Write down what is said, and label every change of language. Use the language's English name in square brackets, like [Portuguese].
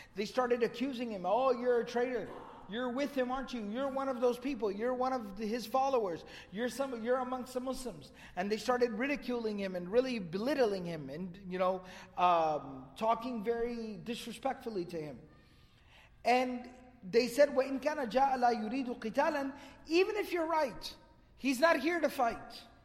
[English] They started accusing him, oh, you're a traitor. You're with him, aren't you? You're one of those people. You're one of his followers. You're amongst the Muslims. And they started ridiculing him and really belittling him and, you know, talking very disrespectfully to him. And they said, [Arabic] وَإِنْ كَانَ جَاءَ لَا يُرِيدُ قِتَالًا. [English] Even if you're right, he's not here to fight.